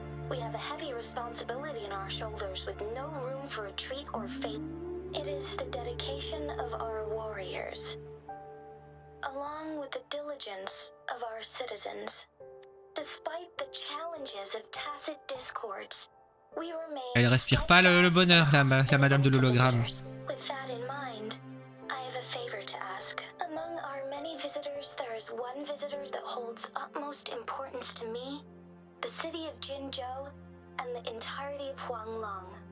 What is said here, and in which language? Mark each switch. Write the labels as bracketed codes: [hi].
[en] We have a heavy responsibility in our shoulders with no room for retreat or fate. It is the dedication of our warriors, along with the diligence of our citizens. Despite the challenges of tacit discords, we remain... [fr] Elle respire pas le bonheur, la madame de l'hologramme. [en] With that in mind, I have a favor to ask. Among our many visitors, there is one visitor that holds utmost importance to me, the city of Jinjo, and the entirety of Huanglong.